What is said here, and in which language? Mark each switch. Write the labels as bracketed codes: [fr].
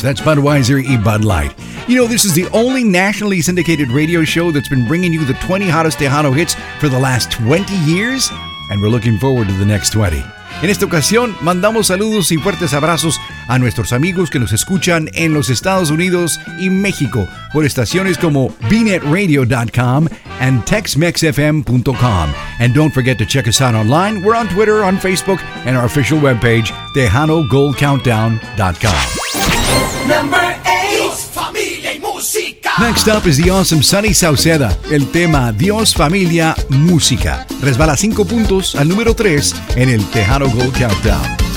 [en] That's Budweiser y Bud Light. You know, this is the only nationally syndicated radio show that's been bringing you the 20 hottest Tejano hits for the last 20 years, and we're looking forward to the next 20. [es] En esta ocasión, mandamos saludos y fuertes abrazos a nuestros amigos que nos escuchan en los Estados Unidos y México por estaciones como BNetRadio.com and TexMexFM.com. [en] And don't forget to check us out online. We're on Twitter, on Facebook, and our official webpage, TejanoGoldCountdown.com. Number 8. Familia y Música. Next up is the awesome Sunny Sauceda. [es] El tema Dios, Familia, Música. Resbala 5 puntos al número 3 en el Tejano Gold Countdown.